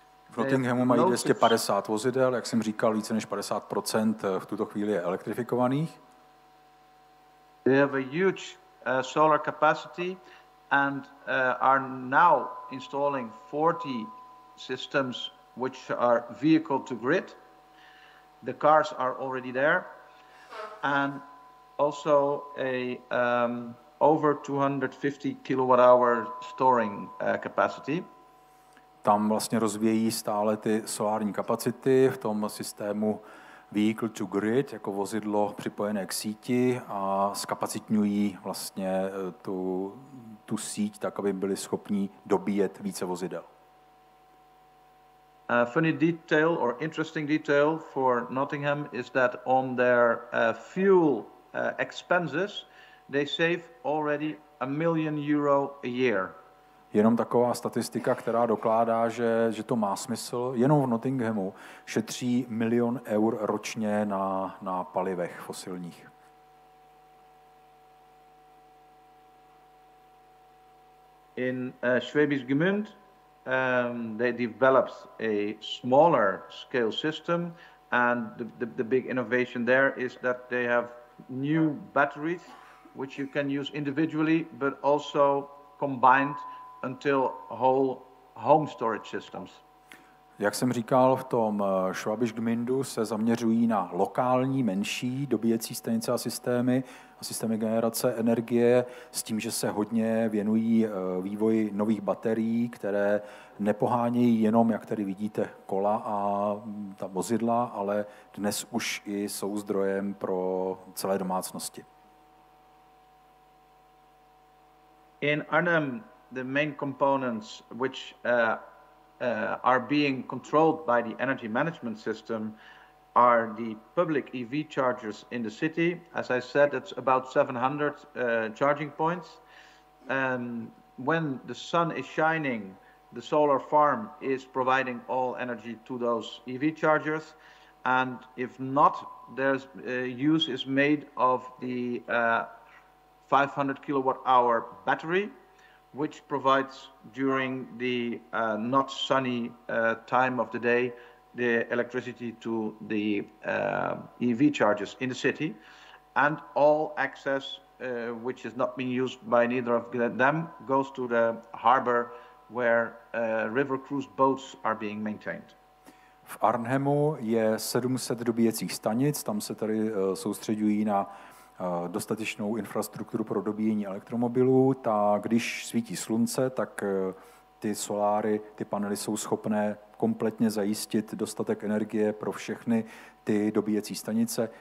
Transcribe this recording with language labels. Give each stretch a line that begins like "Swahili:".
Czech: V Nottinghamu mají 250 vozidel, jak jsem říkal, více než 50% v tuto chvíli je elektrifikovaných.
English: They have a huge solar capacity and are now installing 40 systems which are vehicle to grid. The cars are already there and also a over 250 kilowatt hour storing capacity.
Czech: tam vlastně rozvíjí stále ty solární kapacity v tom systému Vehicle to Grid, jako vozidlo připojené k síti, a zkapacitňují vlastně tu síť tak, aby byli schopni dobíjet více vozidel.
English: A funny detail or interesting detail for Nottingham is that on their fuel expenses they save already €1 million a year.
Czech: Jenom taková statistika, která dokládá, že to má smysl, jenom v Nottinghamu šetří €1 million ročně na palivech fosilních.
English: In Schwäbisch Gmünd they developed a smaller scale system, and the big innovation there is that they have new batteries which you can use individually but also combined until whole home storage systems.
Czech: Jak jsem říkal, v tom Schwäbisch Gmündu se zaměřují na lokální menší dobíjecí stanice a systémy generace energie, s tím, že se hodně věnují vývoji nových baterií, které nepohánějí jenom, jak tady vidíte, kola a ta vozidla, ale dnes už i jsou zdrojem pro celé domácnosti.
English: In Arnhem, the main components which are being controlled by the energy management system are the public EV chargers in the city. As I said, that's about 700 charging points. When the sun is shining, the solar farm is providing all energy to those EV chargers. And if not, there's use is made of the 500 kilowatt hour battery, which provides during the not sunny time of the day the electricity to the EV chargers in the city, and all access which is not being used by neither of them goes to the harbor where river cruise boats are being maintained.
Czech: V Arnhemu je 700 dobíjecích stanic, tam se tady soustředují na dostatečnou infrastrukturu pro dobíjení elektromobilů, ta když svítí slunce, tak ty soláry, ty panely jsou schopné kompletně zajistit dostatek energie pro všechny ty dobíjecí stanice.